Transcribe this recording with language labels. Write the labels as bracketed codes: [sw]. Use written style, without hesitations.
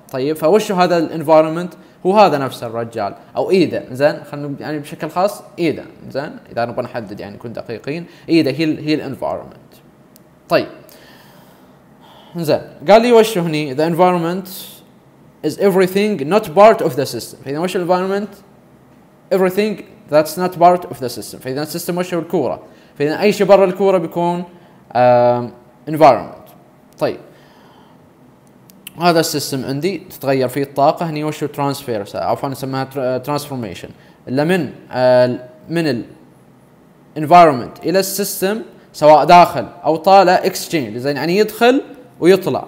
[ar] طيب فوش هذا الانفايرمنت؟ هو هذا نفس الرجال او ايده، زين خلينا يعني بشكل خاص ايده، زين اذا نبغى نحدد يعني نكون دقيقين، ايده هي الانفايرمنت. طيب زين قال لي وش هني؟ ذا انفايرمنت [en] is everything not part of the system. [ar] فإذا وش [en] environment؟ everything that's not part of the system. [ar] فإذا system وش هو؟ الكورة. فإذا أي شيء برا الكورة بيكون environment. طيب هذا system عندي تتغير فيه الطاقة، هني وش هو؟ transfer، عفوا نسميها transformation، اللي من ال environment إلى system سواء داخل أو طالع exchange، زين يعني يدخل ويطلع.